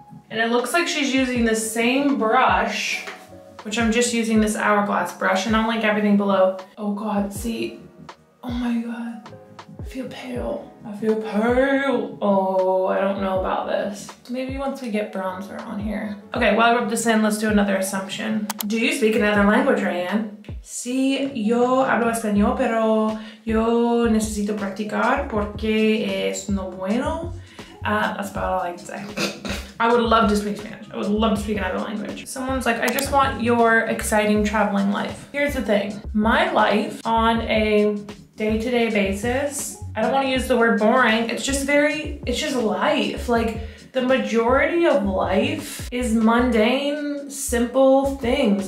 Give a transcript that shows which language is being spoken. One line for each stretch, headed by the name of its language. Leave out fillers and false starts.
English: And it looks like she's using the same brush, which I'm just using this Hourglass brush and I'm like everything below. Oh God, see. Oh my God, I feel pale. Oh, I don't know about this. Maybe once we get bronzer on here. Okay, while I rub this in, let's do another assumption. Do you speak another language, Ryan?
Spanish: Sí, yo hablo español, pero yo necesito practicar porque es no bueno.
English: That's about all I can say. I would love to speak Spanish. I would love to speak another language. Someone's like, I just want your exciting traveling life. Here's the thing, my life on a day-to-day basis. I don't want to use the word boring. It's just life. Like the majority of life is mundane, simple things.